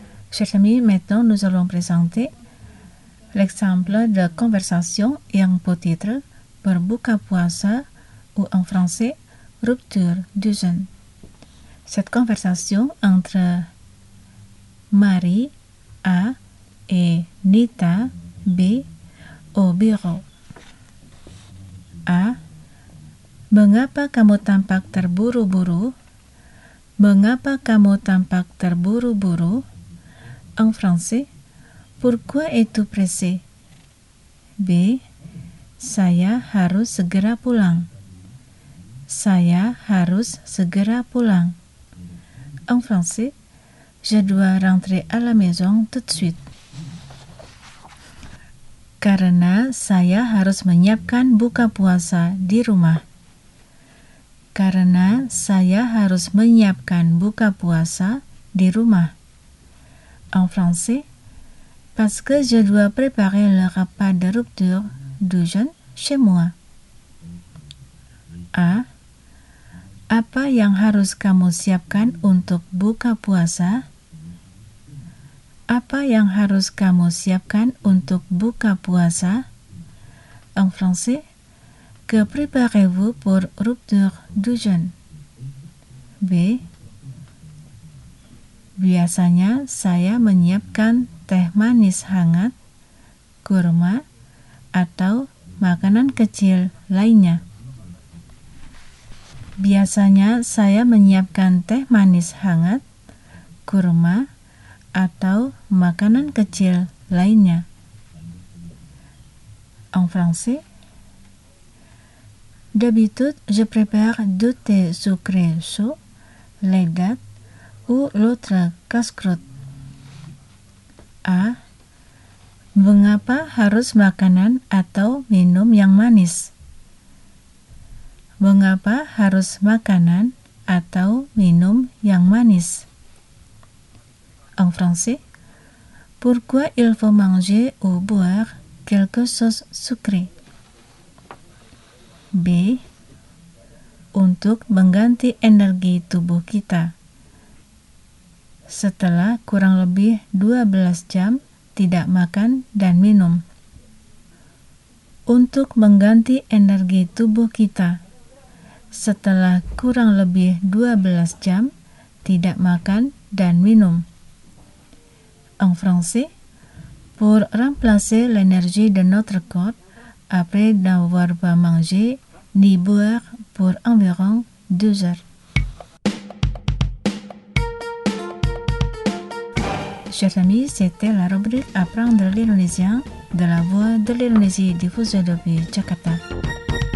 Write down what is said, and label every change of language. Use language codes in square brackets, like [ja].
[fr] Chers amis, maintenant nous allons présenter l'exemple de conversation ayant pour titre [id] Berbuka Puasa [fr] ou en français Rupture du jeûne. Cette conversation entre Marie A et Nita B au bureau. A. [id] Mengapa kamu tampak terburu-buru? Mengapa kamu tampak terburu-buru? [fr] En français, pourquoi es-tu pressé? B. [id] Saya harus segera pulang. Saya harus segera pulang. [fr] En français, je dois rentrer à la maison tout de suite. [id] Karena saya harus menyiapkan buka puasa di rumah. Karena saya harus menyiapkan buka puasa di rumah. [fr] En français, parce que je dois préparer le repas de rupture du jeûne chez moi. A. [id] Apa yang harus kamu siapkan untuk buka puasa? Apa yang harus kamu siapkan untuk buka puasa? [fr] en français, que préparez-vous pour rupture du jeûne? B. [id] Biasanya saya menyiapkan teh manis hangat, kurma, atau makanan kecil lainnya. Biasanya saya menyiapkan teh manis hangat, kurma, atau makanan kecil lainnya. [fr] En français. D'habitude, je prépare du thé sucré chaud, les dattes ou l'autre casse-croûte. A. [id] Mengapa harus makanan atau minum yang manis? Mengapa harus makanan atau minum yang manis? [fr] En français. Pourquoi il faut manger ou boire quelque chose sucré? [id] B. Untuk mengganti energi tubuh kita. Setelah kurang lebih 12 jam tidak makan dan minum. Untuk mengganti energi tubuh kita. Setelah kurang lebih 12 jam tidak makan dan minum. [fr] En français, pour remplacer l'énergie de notre corps après n'avoir pas mangé ni boire pour environ 2 heures. Chers amis, c'était la rubrique Apprendre l'Indonésien de la Voix de l'Indonésie diffusée depuis Jakarta.